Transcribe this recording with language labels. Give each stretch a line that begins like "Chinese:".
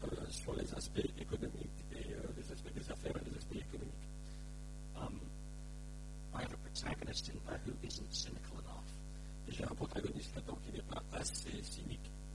French: Sur les aspects économiques et les aspects des affaires et les aspects économiques.
English: I have a protagonist in there who isn't cynical enough.
French: Et j'ai un protagoniste là-dedans qui n'est pas assez cynique.